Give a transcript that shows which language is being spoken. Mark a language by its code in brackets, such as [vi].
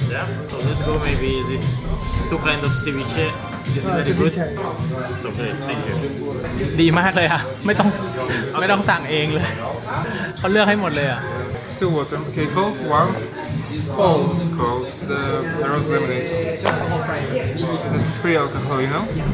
[en] Yeah, so let's go maybe this two kind of ceviche. This is very good. It's okay, thank you. [th] ดีมากเลยอ่ะไม่ต้องสั่งเองเลยเขาเลือกให้หมดเลยอ่ะ [en] Still water, okay, cold, warm. Cold. The rose lemonade. It's free alcohol, you know?